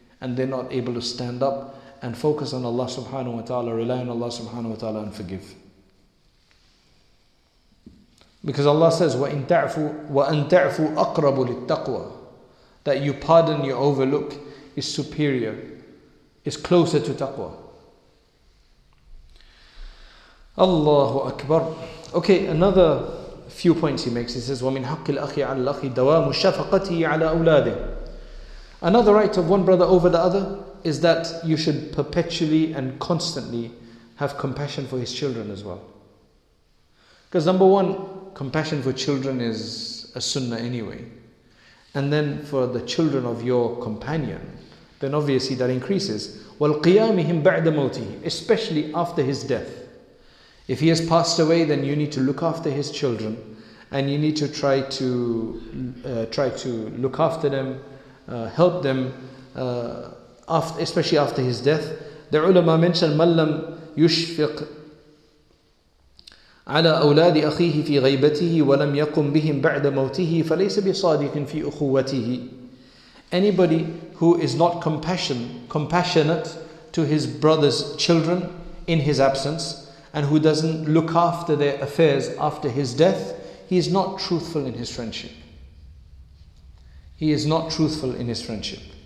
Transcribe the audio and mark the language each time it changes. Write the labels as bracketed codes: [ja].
[en] And they're not able to stand up and focus on Allah subhanahu wa ta'ala, rely on Allah subhanahu wa ta'ala and forgive. [ar] Because Allah says, وَأَنْتَعْفُ أَقْرَبُ لِلتَّقْوَى. [en] That you pardon, you overlook, is superior, is closer to taqwa. Allahu Akbar. Okay, another few points he makes. He says, [ar] وَمِنْ حَقِّ الْأَخِي عَلَى الْأَخِي دَوَامُ شَفَقَتِهِ عَلَى أَوْلَادِهِ. [en] Another right of one brother over the other is that you should perpetually and constantly have compassion for his children as well. Because number one, compassion for children is a sunnah anyway. And then for the children of your companion, then obviously that increases. [ar] وَالْقِيَامِهِمْ بَعْدَ مَوْتِهِ. [en] Especially after his death. If he has passed away, then you need to look after his children and you need to try to look after them, help them, especially after his death. The ulama mentioned, [ar] مَنْ لَمْ يُشْفِقْ عَلَى أَوْلَادِ أَخِيهِ فِي غَيْبَتِهِ وَلَمْ يَقُمْ بِهِمْ بَعْدَ مَوْتِهِ فَلَيْسَ بِصَادِقٍ فِي أُخُوَّتِهِ. [en] Anybody who is not compassionate to his brother's children in his absence, and who doesn't look after their affairs after his death, he is not truthful in his friendship. He is not truthful in his friendship.